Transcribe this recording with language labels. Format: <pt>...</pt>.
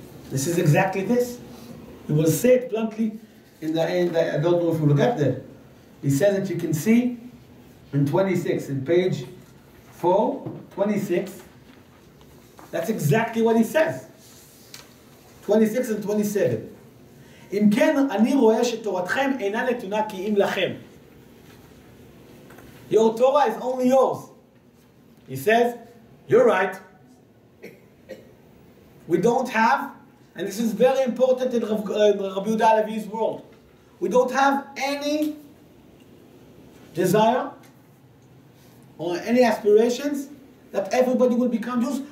<en>This is exactly this. He will say it bluntly in the end, I don't know if you will get there, He says that you can see in 26, in page 4, 26. That's exactly what he says. 26 and 27.</en> <he>אם כן, אני רואה שתורתכם אינה נתונה כי אם לכם.</he> <en>Your Torah is only yours. He says, you're right. We don't have, and this is very important in Rabbi Yehuda HaLevi's world, we don't have any desire or any aspirations that everybody will become Jews.</en>